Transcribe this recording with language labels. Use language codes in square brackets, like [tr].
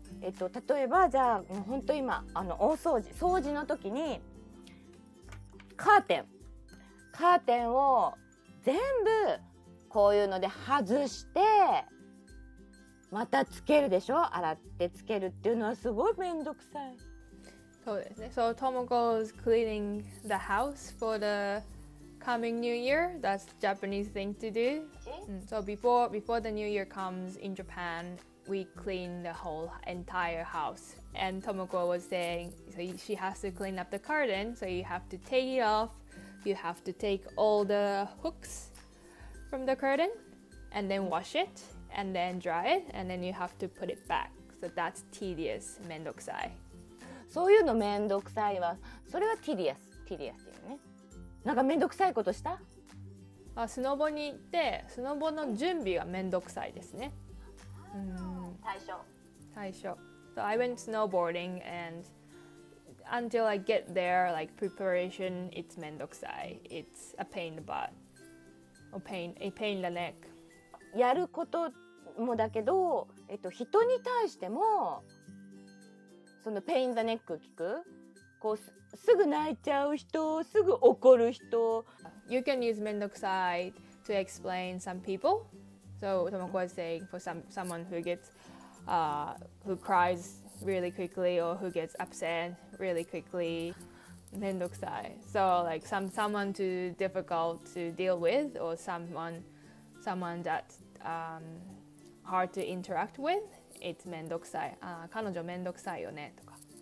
[ja] 例えばじゃあ、もう本当今あの大掃除、掃除の時にカーテンを全部こういうので外してまたつけるでしょ。洗ってつけるっていうのはすごいめんどくさい。そうですね。 [en] So Tomoko's cleaning the house for the coming New Year. That's Japanese thing to do. So before the new year comes in Japan, we clean the whole entire house. And Tomoko was saying, so she has to clean up the curtain, so you have to take it off, you have to take all the hooks from the curtain, and then wash it, and then dry it, and then you have to put it back. So that's tedious, めんどくさい。 [ja] そういうのめんどくさいは、それは tedious、tedious だよね。なんかめんどくさいことした？あ、スノボに行ってスノボの準備がめんどくさいですね。最初 [en] So I went snowboarding and until I get there, like preparation, it's めんどくさい。 It's a pain in the butt or a pain in the neck. [ja] やることもだけど、人に対してもそのペインザネック聞く、こうすぐ泣いちゃう人、すぐ怒る人。 [en] You can use めんどくさい to explain some people. So Tomoko was saying for someone who gets, who cries really quickly or who gets upset really quickly, めんどくさい。 So like someone too difficult to deal with or someone that's, hard to interact with, it's めんどくさい。 [ja] あ、彼女めんどくさいよねとか。